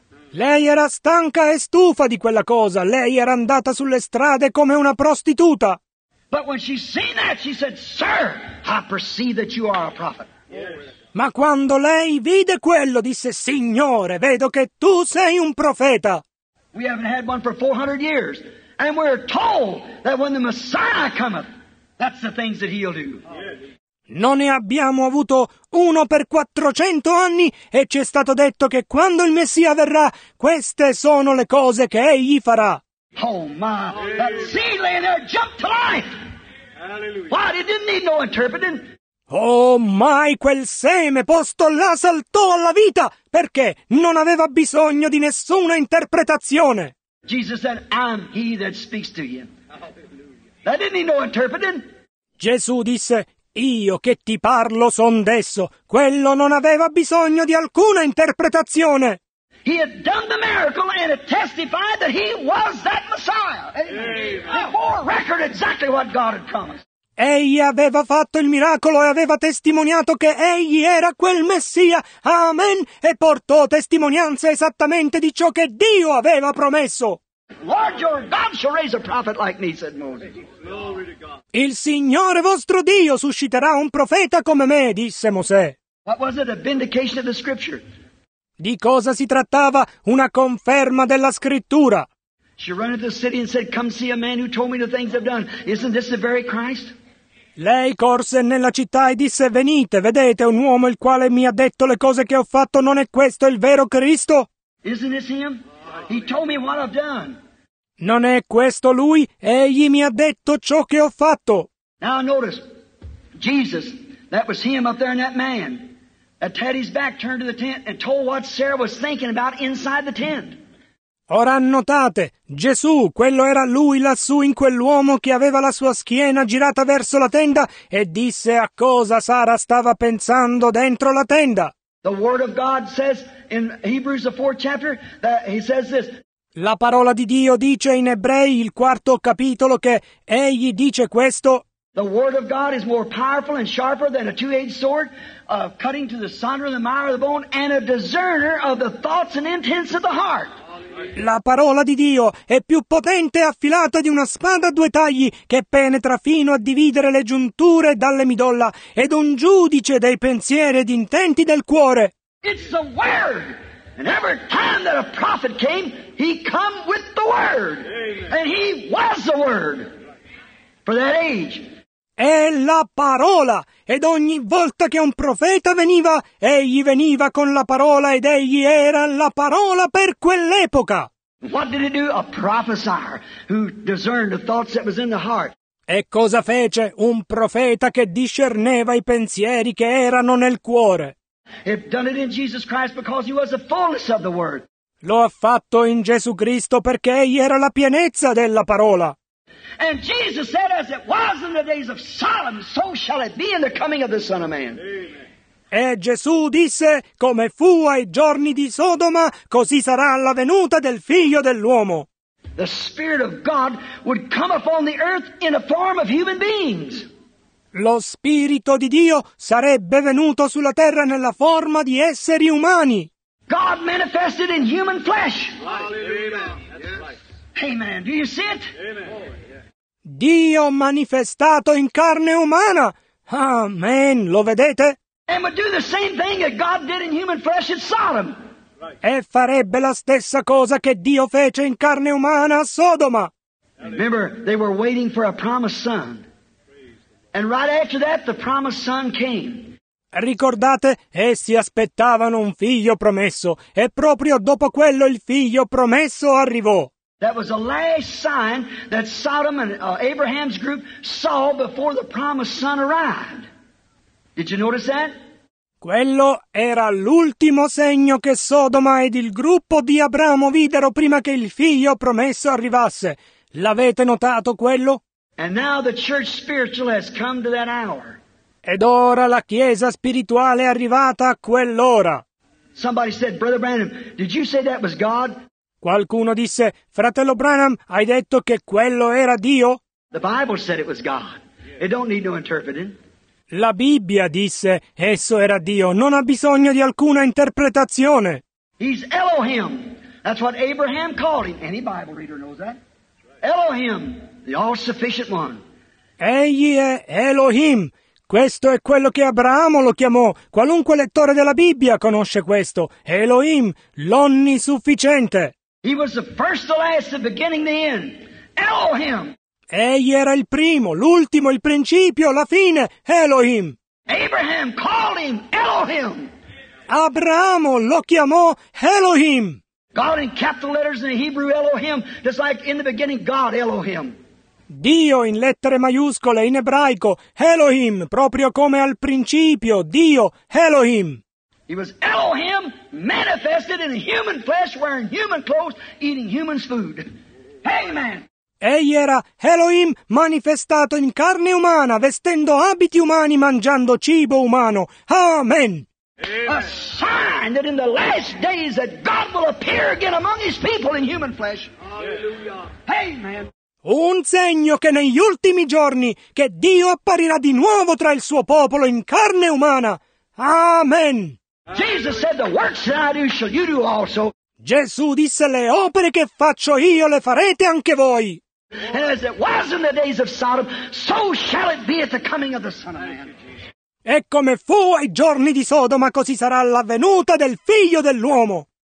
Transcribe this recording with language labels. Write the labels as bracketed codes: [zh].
[it] Lei era stanca e stufa di quella cosa, lei era andata sulle strade come una prostituta. [en] But when she seen that, she said, sir, I perceive that you are a prophet. Yes. [it] Ma quando lei vide quello, disse, signore, vedo che tu sei un profeta. [en] We haven't had one for 400 years. And we're told that when the Messiah cometh, that's the things that he'll do. Yes. [it] Non ne abbiamo avuto uno per 400 anni e ci è stato detto che quando il Messia verrà, queste sono le cose che egli farà. [en] Oh my, that sea lay there jumped to life. Hallelujah. Why, it didn't need no interpreting. Oh my, [it] quel seme posto là saltò alla vita perché non aveva bisogno di nessuna interpretazione. [en] Jesus said, I'm he that speaks to you. That didn't need no interpreting. [it] Gesù disse, io che ti parlo son d'esso. Quello non aveva bisogno di alcuna interpretazione. [en] He had done the miracle and it testified that he was that Messiah. Amen. It bore record exactly what God had promised. [it] Egli aveva fatto il miracolo e aveva testimoniato che egli era quel Messia. Amen. E portò testimonianza esattamente di ciò che Dio aveva promesso. [en] Lord your God shall raise a prophet like me, said Moses. [it] Il Signore vostro Dio susciterà un profeta come me, disse Mosè. [en] What was it, a vindication of the scripture? [it] Di cosa si trattava? Una conferma della scrittura. [en] She ran into the city and said, come see a man who told me the things I've done. Isn't this the very Christ? [it] Lei corse nella città e disse, venite, vedete un uomo il quale mi ha detto le cose che ho fatto, non è questo il vero Cristo? [en] Isn't this him? He told me what I've done. [it] Non è questo lui? Egli mi ha detto ciò che ho fatto. [en] Now notice, Jesus, that was him up there in that man, at Teddy's back turned to the tent and told what Sarah was thinking about inside the tent. [it] Ora annotate, Gesù, quello era lui lassù in quell'uomo che aveva la sua schiena girata verso la tenda e disse a cosa Sara stava pensando dentro la tenda. [en] The word of God says in Hebrews the fourth chapter that he says this. [it] La parola di Dio dice in Ebrei il quarto capitolo che egli dice questo. [en] The word of God is more powerful and sharper than a two-edged sword, cutting to the sunder and the marrow of the bone and a discerner of the thoughts and intents of the heart. [it] La parola di Dio è più potente e affilata di una spada a due tagli che penetra fino a dividere le giunture dalle midolla ed un giudice dei pensieri ed intenti del cuore. [en] It's the word. And every time that a prophet came, he come with the word. And he was the word for that age. [it] È la parola. Ed ogni volta che un profeta veniva, egli veniva con la parola ed egli era la parola per quell'epoca. [en] What did he do? A prophesier who discerned the thoughts that was in the heart. [it] E cosa fece? Un profeta che discerneva i pensieri che erano nel cuore. [en] He done it in Jesus Christ because he was the fullness of the word. [it] Lo ha fatto in Gesù Cristo perché egli era la pienezza della parola. [en] And Jesus said, as it was in the days of Sodom, so shall it be in the coming of the Son of Man. [it] E Gesù disse, come fu ai giorni di Sodoma, così sarà alla venuta del Figlio dell'uomo. [en] The Spirit of God would come upon the earth in a form of human beings. [it] Lo Spirito di Dio sarebbe venuto sulla terra nella forma di esseri umani. [en] God manifested in human flesh. Amen. Amen. Do you see it? Amen. [it] Dio manifestato in carne umana. Amen. Lo vedete? [en] And would do the same thing that God did in human flesh at Sodom. [it] E farebbe la stessa cosa che Dio fece in carne umana a Sodoma. [en] Remember, they were waiting for a promised son. And right after that, the promised son came. [it] Ricordate, essi aspettavano un figlio promesso, e proprio dopo quello il figlio promesso arrivò. [en] That was the last sign that Sodom and Abraham's group saw before the promised son arrived. Did you notice that? [it] Quello era l'ultimo segno che Sodoma ed il gruppo di Abramo videro prima che il figlio promesso arrivasse. L'avete notato quello? [en] And now the church spiritual has come to that hour. [it] Ed ora la chiesa spirituale è arrivata a quell'ora. [en] Somebody said, Brother Branham, did you say that was God? [it] Qualcuno disse, Fratello Branham, hai detto che quello era Dio? [en] The Bible said it was God. It don't need no interpreting. [it] La Bibbia disse, esso era Dio. Non ha bisogno di alcuna interpretazione. [en] He's Elohim. That's what Abraham called him. Any Bible reader knows that. Elohim. The all-sufficient one. [it] Egli è Elohim. Questo è quello che Abramo lo chiamò. Qualunque lettore della Bibbia conosce questo. Elohim, l'onnisufficiente. [en] He was the first, the last, the beginning, the end. Elohim. [it] Egli era il primo, l'ultimo, il principio, la fine. Elohim. [en] Abraham called him Elohim. [it] Abramo lo chiamò Elohim. [en] God in capital letters in the Hebrew Elohim, just like in the beginning God Elohim. [it] Dio in lettere maiuscole in ebraico Elohim, proprio come al principio Dio Elohim. [en] He was Elohim manifested in human flesh, wearing human clothes, eating human food. Amen. [it] Egli era Elohim manifestato in carne umana, vestendo abiti umani, mangiando cibo umano. Amen. [en] A sign that in the last days that God will appear again among his people in human flesh. Hallelujah. Amen. [it] Un segno che negli ultimi giorni che Dio apparirà di nuovo tra il suo popolo in carne umana. Amen. [en] Jesus said, the works that I do shall you do also. [it] Gesù disse, le opere che faccio io le farete anche voi. [en] And as it was in the days of Sodom, so shall it be at the coming of the Son of Man. [it] E come fu ai giorni di Sodoma, così sarà l'avvenuta del Figlio dell'uomo.